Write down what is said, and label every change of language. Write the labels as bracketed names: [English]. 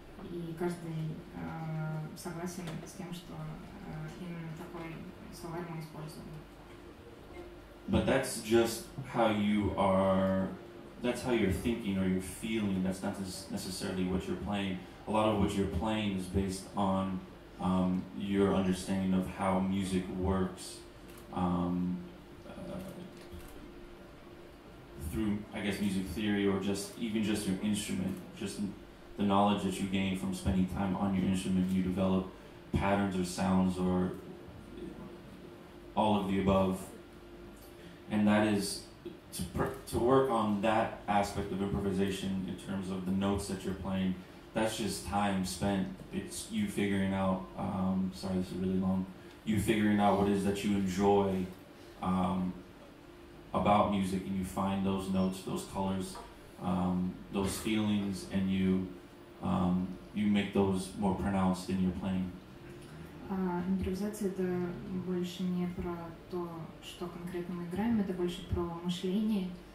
[Russian] И каждый согласен с тем, что именно такой словарь мы используем. [English] But that's just how you are, that's how you're thinking or you're feeling, that's not necessarily what you're playing. A lot of what you're playing is based on your understanding of how music works through, I guess, music theory or just even just your instrument, just the knowledge that you gain from spending time on your instrument, you develop patterns or sounds or all of the above. And that is to work on that aspect of improvisation in terms of the notes that you're playing. That's just time spent. It's you figuring out, sorry, this is really long. You figuring out what it is that you enjoy about music, and you find those notes, those colors, those feelings, and you you make those more pronounced in your playing. [Russian] Импровизация — это больше не про то, что конкретно мы играем, это больше про мышление.